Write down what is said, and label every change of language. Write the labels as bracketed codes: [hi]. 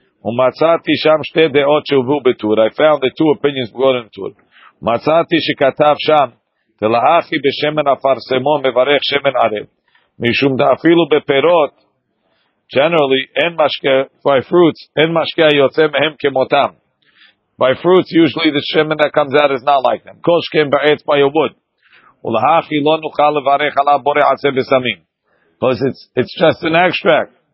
[he] ומצאתי שם שתי דעות שהובאו בטור. [en] I found the two opinions brought in טור. [he] מצאתי שכתב שם, תלאחי בשמן הפרסמו מברך שמן ערב. משום דאפילו בפירות, generally, אין משקה, [en] by fruits, [he] אין משקה היוצא מהם כמותם. [en] By fruits, usually the shemen that comes out is not like them. [he] כל שכם בעץ [en] by a wood. [he] ולאחי לא נוכל לברך עליו בורי עצה בסמים. [en] Because it's just an extract.